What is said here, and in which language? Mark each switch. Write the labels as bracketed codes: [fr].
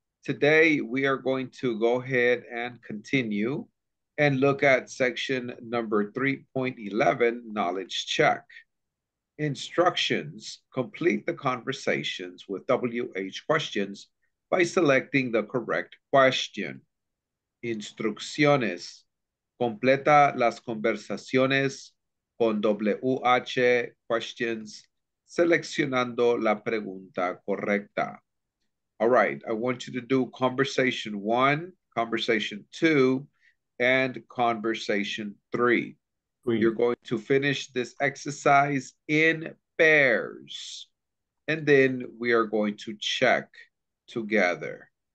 [en] Today, we are going to go ahead and continue and look at section number 3.11, knowledge check. Instructions, complete the conversations with WH questions by selecting the correct question. [es] Instrucciones, completa las conversaciones con WH questions, seleccionando la pregunta correcta. [en] All right, I want you to do conversation one, conversation two, and conversation three. You're going to finish this exercise in pairs, and then we are going to check together.